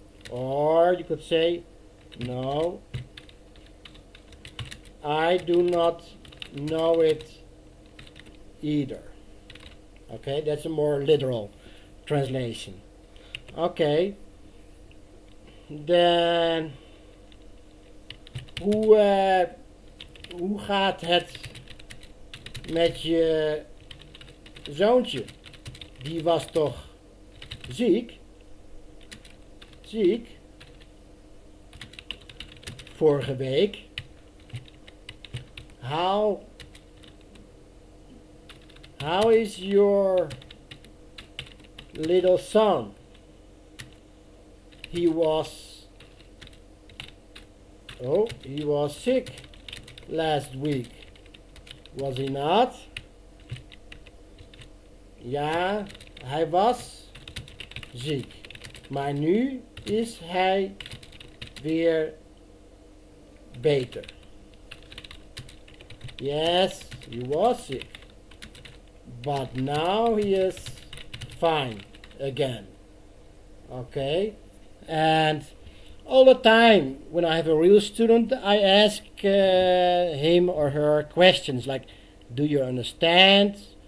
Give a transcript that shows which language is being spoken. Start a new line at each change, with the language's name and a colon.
English: Or you could say, no, I do not know it either. Okay, that's a more literal translation. Okay, then
Dutch: hoe gaat het met je zoontje? Die was toch ziek? Ziek? Vorige week.
English: How is your little son? He was sick last week, was he not?
Dutch: Ja, hij was ziek, maar nu is hij weer beter.
English: Yes, he was sick, but now he is fine again. Okay, and all the time when I have a real student, I ask him or her questions like, do you understand?